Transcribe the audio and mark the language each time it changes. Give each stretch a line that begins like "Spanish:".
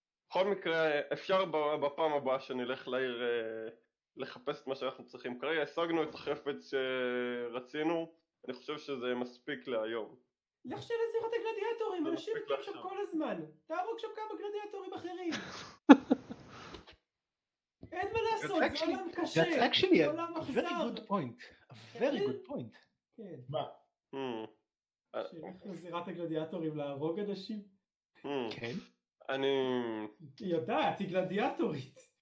Hebrew: בכל מקרה, אפשר בפעם הבאה שנלך לעיר לחפש את מה שאנחנו צריכים. כרגע השגנו את החפץ שרצינו, אני חושב שזה מספיק להיום. לך של זירת הגלדיאטורים, אנשים יקים שם כל הזמן. תהרוג שם כמה גלדיאטורים אחרים. אין מה לעשות, זה עולם קשה.
English: That's actually a very good point. A very good point.
Hebrew: כן. מה? זירת הגלדיאטורים להרוג אנשים? כן. אני... היא יודעת, היא גלדיאטורית.